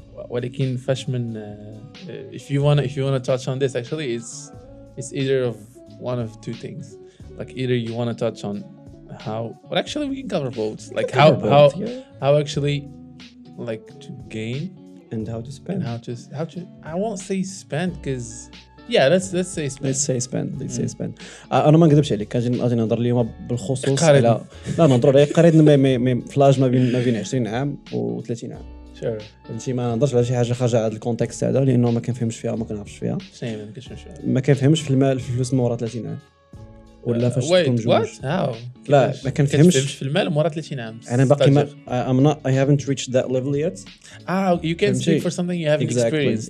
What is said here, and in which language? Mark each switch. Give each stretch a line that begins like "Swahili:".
Arabic: ولكن فشمن,
English: if you want to touch on this, actually, it's either of one of two things. Like either you want to touch on how, but actually we can cover both. Like how both, how yeah. how actually like to gain and how to spend. And how to I won't say spend because. Yeah, let's say spend. Let's say spend.
Arabic: أنا ما نكذبش عليك. كان غادي نهضر اليوم بالخصوص على لا نهضر عليه قريت مي فلاج ما بين 20 عام و 30 عام.
English: Sure.
Arabic: أنت ما نهضرش على شي حاجة خارجة هذا الكونتكست هذا لأنه ما كنفهمش فيها ما كنعرفش فيها.
English: Same.
Arabic: ما كنفهمش في المال في الفلوس مورا 30 عام. ولا فاش تكون جوج.
English: Wait, what? How?
Arabic: لا ما كنفهمش في المال مورا 30 عام. أنا باقي ما
English: I haven't reached that level yet. Ah, you can't speak for something you haven't experienced.